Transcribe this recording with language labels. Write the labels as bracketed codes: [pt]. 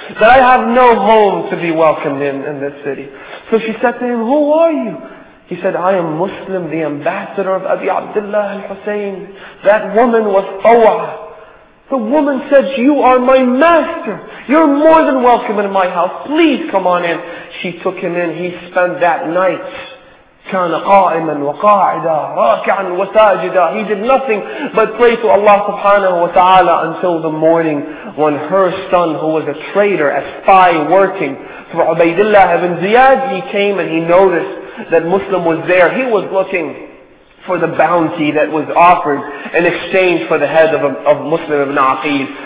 [en] That I have no home to be welcomed in this city." So she said to him, "Who are you?" He said, "I am Muslim, the ambassador of Abi Abdullah al-Hussein." That woman was Awa. The woman said, "You are my master. You're more than welcome in my house. Please come on in." She took him in. He spent that night. [ar] كان قائما وقاعدا راكعا وساجدا. [en] He did nothing but pray to Allah subhanahu wa ta'ala until the morning when her son, who was a traitor, a spy working for Ubaidillah ibn Ziyad, he came and he noticed that Muslim was there. He was looking for the bounty that was offered in exchange for the head of Muslim ibn Aqil.